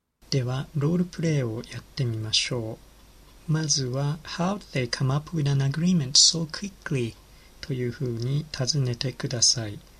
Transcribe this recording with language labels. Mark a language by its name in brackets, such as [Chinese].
[Japanese] では、ロールプレイをやってみましょう。まずは、 [English] How did they come up with an agreement so quickly? [Japanese] というふうに尋ねてください。